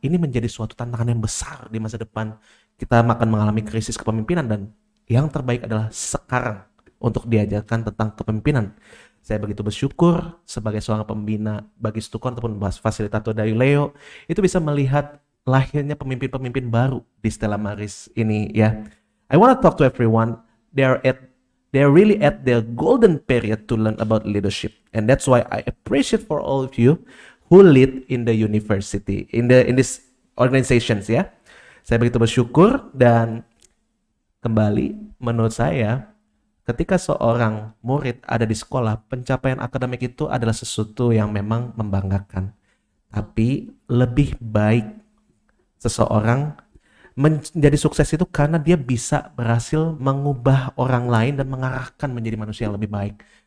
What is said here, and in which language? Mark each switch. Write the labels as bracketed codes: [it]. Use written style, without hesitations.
[id] Ini menjadi suatu tantangan yang besar di masa depan. Kita akan mengalami krisis kepemimpinan, dan yang terbaik adalah sekarang untuk diajarkan tentang kepemimpinan. Saya begitu bersyukur sebagai seorang pembina bagi Stukon ataupun fasilitator dari Leo itu bisa melihat lahirnya pemimpin-pemimpin baru di Stella Maris ini ya. Yeah. [en] I want to talk to everyone. They're really at their golden period to learn about leadership, and that's why I appreciate for all of you who lead in the university in this organizations ya. Yeah. [id] Saya begitu bersyukur dan kembali menurut saya ketika seorang murid ada di sekolah, pencapaian akademik itu adalah sesuatu yang memang membanggakan. Tapi lebih baik seseorang menjadi sukses itu karena dia bisa berhasil mengubah orang lain dan mengarahkan menjadi manusia yang lebih baik.